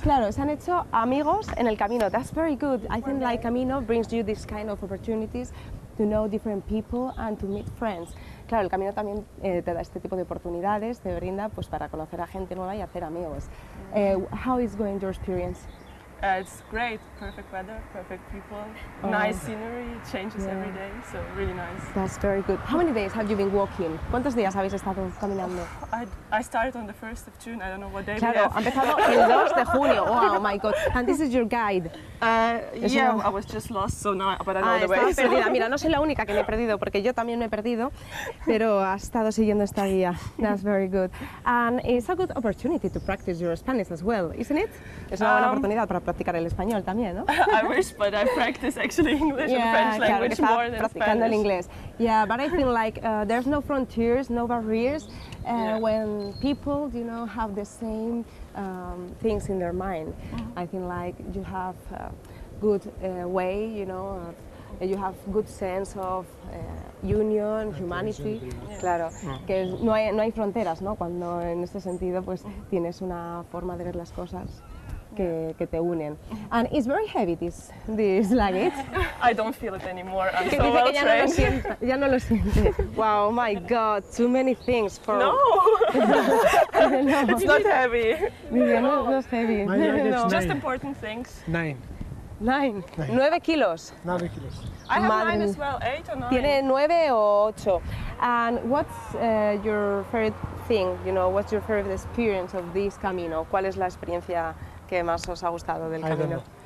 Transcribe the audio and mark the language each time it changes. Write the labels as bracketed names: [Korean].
[Spanish] Claro, se han hecho amigos en el camino. [English] That's very good. I think like Camino brings you this kind of opportunities to know different people and to meet friends. [Spanish] Claro, el camino también te da este tipo de oportunidades, te brinda pues para conocer a gente nueva y hacer amigos. [English] How is going your experience? It's great, perfect weather, perfect people, nice scenery, changes every day, so really nice. That's very good. How many days have you been walking? [Spanish] ¿Cuántos días habéis estado caminando? [English] I started on the 1st of June, I don't know what day. [Spanish] Claro, empezado el 2 de junio, [English] wow, my God. And this is your guide. I was just lost, so now, but I know the way. [Spanish] Estaba perdida, mira, no soy la única que me he perdido, porque yo también me he perdido, pero has estado siguiendo esta guía. [English] That's very good. And it's a good opportunity to practice your Spanish as well, isn't it? [Spanish] Es una buena oportunidad para practicar el español también, ¿no? [English] I wish, but I practice actually English and French language [Spanish] claro, [English] more than [Spanish] practicando [English] Spanish. [Spanish] Practicando el inglés. [English] Yeah, but I think like there's no frontiers, no barriers when people, you know, have the same things in their mind. I think like you have a good way, you know, of you have good sense of union, humanity. [Spanish] Claro, que no hay fronteras, ¿no? Cuando en este sentido pues tienes una forma de ver las cosas que te unen. [English] And it's very heavy this luggage. I don't feel it anymore. I'm so well trained. [Spanish] Ya no lo siento. [English] Wow, my God, too many things for. No. No. It's not heavy. [Spanish] No, no, no es heavy. [English] No. Just important things. [Spanish] Nueve kilos. 9 kilos. [English] I have 9 as well. 8 or 9. [Spanish] Tiene 9 o 8. [English] And what's your favorite thing? You know, what's your favorite experience of this Camino? [Spanish] ¿Cuál es la experiencia que más os ha gustado del camino?